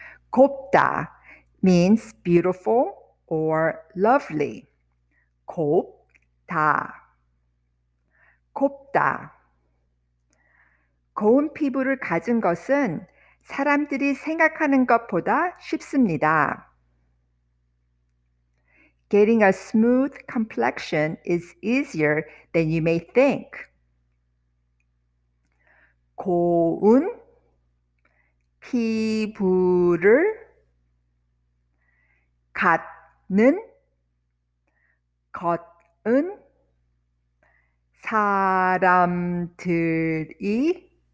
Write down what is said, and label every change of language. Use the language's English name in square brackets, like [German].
[English] 곱다 means beautiful or lovely. [Korean] 곱다. 곱다. 고운 피부를 가진 것은 사람들이 생각하는 것보다 쉽습니다. [English] Getting a smooth complexion is easier than you may think. [Korean] 고운 피부를 갖는 것은 사람들이